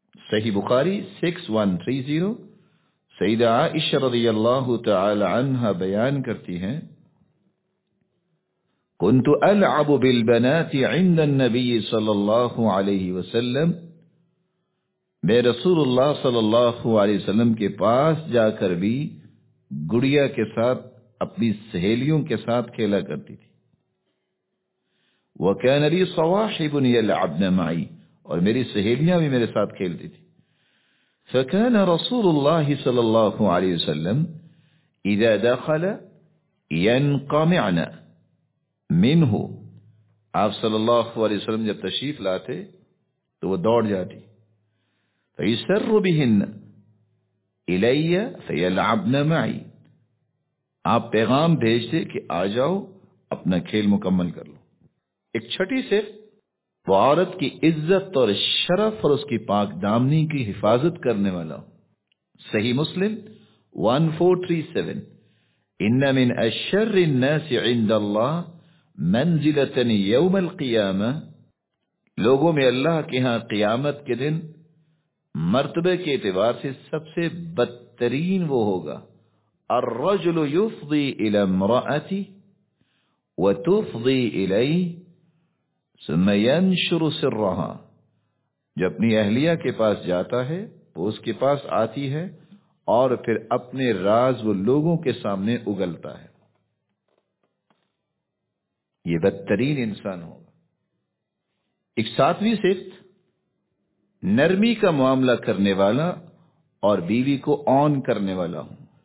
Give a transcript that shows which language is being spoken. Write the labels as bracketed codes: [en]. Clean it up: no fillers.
[ur] صحیح بخاری 6130. سیدہ عائشہ رضی اللہ تعالی عنہا بیان کرتی ہیں, [ar] کنت العب بالبنات عند النبی صلی اللہ علیہ وسلم, [ur] میں رسول اللہ صلی اللہ علیہ وسلم کے پاس جا کر بھی گڑیا کے ساتھ اپنی سہیلیوں کے ساتھ کھیلا کرتی تھی. [ar] وكان لي صواحب يلعبن معي, [ur] اور میری سہیلیاں بھی میرے ساتھ کھیلتی تھی. [ar] فكان رسول الله صلى الله عليه وسلم اذا دخل ينقمعن منه. [ur] آپ صلی اللہ علیہ وسلم جب تشریف لاتے تو وہ دوڑ جاتی. [ar] فيسر بهن الي فيلعبن معي, [ur] آپ پیغام بھیجتے کہ آ جاؤ اپنا کھیل مکمل کر لو. ایک چھٹی صرف, وہ عورت کی عزت اور شرف اور اس کی پاک دامنی کی حفاظت کرنے والا ہو. صحیح مسلم 1437. [ar] ان من اشر الناس عند اللہ منزلۃ یوم القیامہ, [ur] لوگوں میں اللہ کے ہاں قیامت کے دن مرتبے کے اعتبار سے سب سے بدترین وہ ہوگا, [ar] الرجل يفضي إلى امرأتي وتفضي إلي ثم ينشر سرها. [ur] جب اپنی اہلیہ کے پاس جاتا ہے وہ اس کے پاس آتی ہے اور پھر اپنے راز وہ لوگوں کے سامنے اگلتا ہے. یہ بدترین انسان ہوگا. ایک ساتویں صفت, نرمی کا معاملہ کرنے والا اور بیوی کو آن کرنے والا ہوں.